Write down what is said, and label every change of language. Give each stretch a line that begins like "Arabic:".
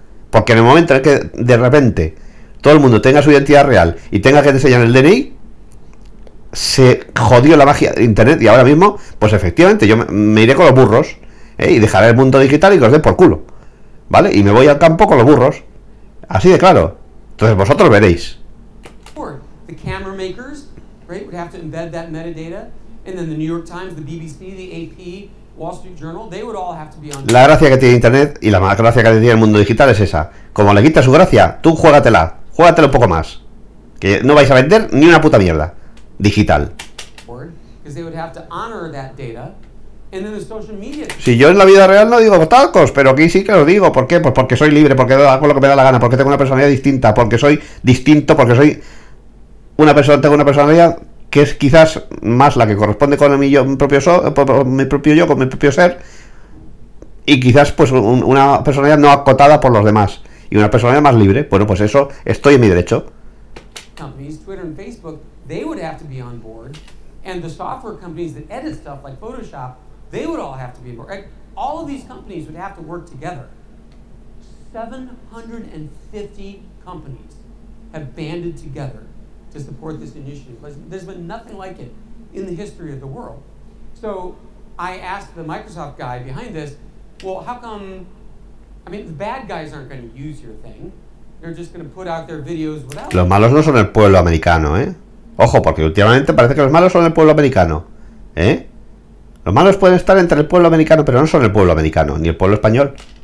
Spanish: Porque en el momento en que de repente todo el mundo tenga su identidad real y tenga que enseñar el DNI, se jodió la magia de internet. Y ahora mismo, pues efectivamente, yo me iré con los burros, y dejaré el mundo digital y que os den por culo, ¿vale? Y me voy al campo con los burros, así de claro. Entonces vosotros veréis.
English: The camera makers, right, would have to embed that metadata, and then the New York Times, the BBC, the AP, Wall Street Journal, they would all have to be on.
Spanish: La gracia que tiene internet y la más gracia que tiene el mundo digital es esa. Como le quita su gracia, tú juégatela un poco más, que no vais a vender ni una puta mierda digital.
English: Because they would have to honor that data. And then the social media.
Spanish: Si yo en la vida real no digo tacos, pero aquí sí que lo digo. ¿Por qué? Pues porque soy libre, porque hago lo que me da la gana, porque tengo una personalidad distinta, porque soy distinto, porque soy una persona, tengo una personalidad que es quizás más la que corresponde con mi propio yo, con mi propio ser, y quizás pues una personalidad no acotada por los demás y una personalidad más libre. Bueno, pues eso, estoy en mi derecho.
English: Companies, Twitter and Facebook, they would have to be on board, and the software companies that edit stuff like Photoshop, they would all have to be on board. All of these companies would have to work together. 750 companies have banded together to support this initiative. There's been nothing like it in the history of the world. So I asked the Microsoft guy behind this, well, how come, I mean, the bad guys aren't going to use your thing. They're just going to put out their videos without.
Spanish: Los malos no son el pueblo americano, Ojo, porque últimamente parece que los malos son el pueblo americano, Los malos pueden estar entre el pueblo americano, pero no son el pueblo americano, ni el pueblo español.